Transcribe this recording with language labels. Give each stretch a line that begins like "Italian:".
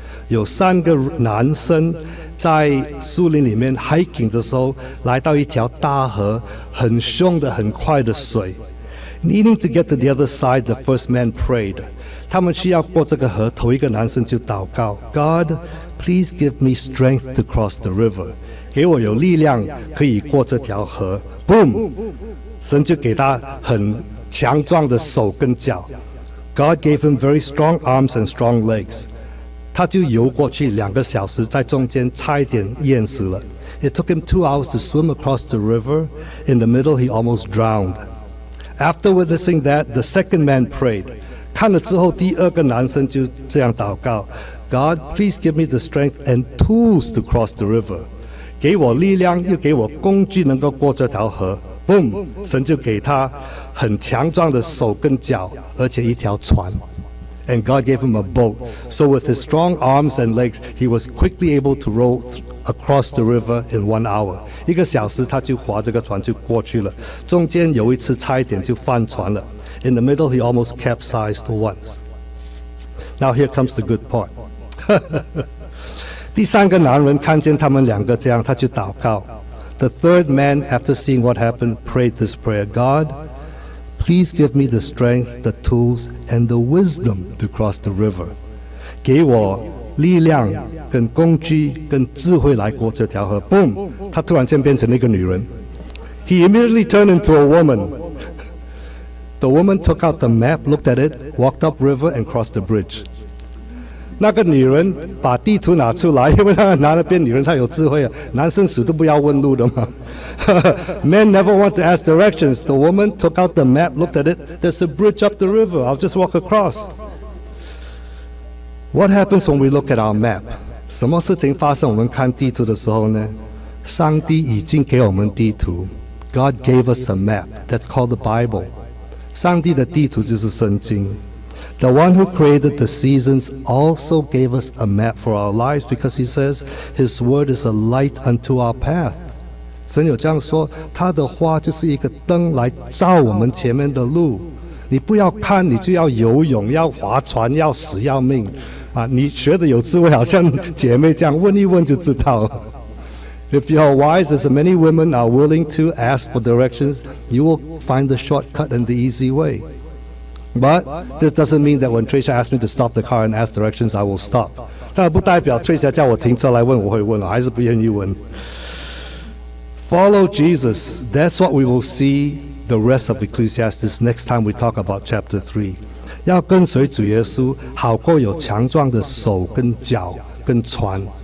Chinese: 有三个男生在树林里面 hiking 的时候来到一条大河，很凶的很快的水。
English: Needing to get to the other side, the first man prayed.
Chinese: 他们需要过这个河，头一个男生就祷告，
English: God, please give me strength to cross the river.
Chinese: 给我有力量可以过这条河。 Boom! 神就给他很强壮的手跟脚。
English: God gave him very strong arms and strong legs.
Chinese: 他就游过去两个小时，在中间差一点淹死了。
English: It took him 2 hours to swim across the river. In the middle, he almost drowned. After witnessing that, the second man prayed.
Chinese: 看了之后，第二个男生就这样祷告，
English: God, please give me the strength and tools to cross the river.
Chinese: 给我力量又给我工具能够过这条河。 Boom! 神就给他很强壮的手跟脚，而且一条船。
English: And God gave him a boat. So with his strong arms and legs, he was quickly able to row across the river in 1 hour.
Chinese: 一个小时他就划这个船就过去了，中间有一次差一点就翻船了。
English: In the middle, he almost capsized once. Now here comes the good part.
Chinese: 第三个男人看见他们两个这样，他就祷告。
English: The third man, after seeing what happened, prayed this prayer, God, please give me the strength, the tools, and the wisdom to cross the river.
Chinese: 给我力量跟工具跟智慧来过这条河。 Boom! 他突然间变成一个女人。
English: He immediately turned into a woman. The woman took out the map, looked at it, walked up river and crossed the bridge.
Chinese: 那个女人把地图拿出来，因为那个男的变女人，他有智慧啊。男生死都不要问路的嘛。
English: Men never want to ask directions. The woman took out the map, looked at it. There's a bridge up the river. I'll just walk across. What happens when we look at our map?
Chinese: 什么事情发生我们看地图的时候呢？上帝已经给我们地图。
English: God gave us a map. That's called the Bible.
Chinese: 上帝的地图就是圣经。
English: The one who created the seasons also gave us a map for our lives because he says his word is a light unto our path.
Chinese: 神有这样说，他的话就是一个灯来照我们前面的路。你不要看，你就要游泳，要划船，要死要命。啊，你学的有智慧，好像姐妹这样问一问就知道了。
English: If you are wise, as many women are willing to ask for directions, you will find the shortcut and the easy way. But this doesn't mean that when Tracia asked me to stop the car and ask directions, I will stop.
Chinese: 但不代表 Tracia 叫我停车来问，我会问，我还是不愿意问。
English: Follow Jesus, that's what we will see. the rest of Ecclesiastes next time we talk about chapter 3.
Chinese: 要跟随主耶稣，好过有强壮的手跟脚跟船。